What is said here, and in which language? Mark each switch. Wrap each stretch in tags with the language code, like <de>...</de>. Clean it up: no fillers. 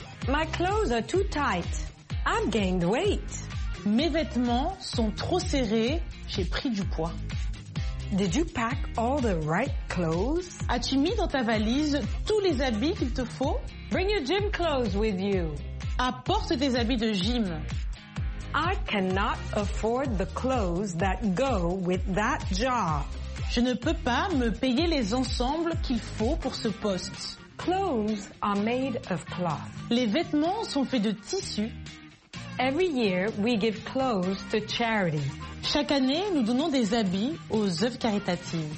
<en>My clothes are too tight. I've gained weight.</en> <fr>Mes vêtements sont trop serrés. J'ai pris du poids.</fr> <en>Did you pack all the right clothes?</en> <fr>As-tu mis dans ta valise tous les habits qu'il te faut?</fr> <en>Bring your gym clothes with you.</en> <fr>Apporte tes habits de gym.</fr> <en>I cannot afford the clothes that go with that job.</en> <fr>Je ne peux pas me payer les ensembles qu'il faut pour ce poste.</fr> <en>Clothes are made of cloth.</en> <fr>Les vêtements sont faits de tissu.</fr> <en>Every year we give clothes to charity.</en> <fr>Chaque année, nous donnons des habits aux œuvres caritatives.</fr>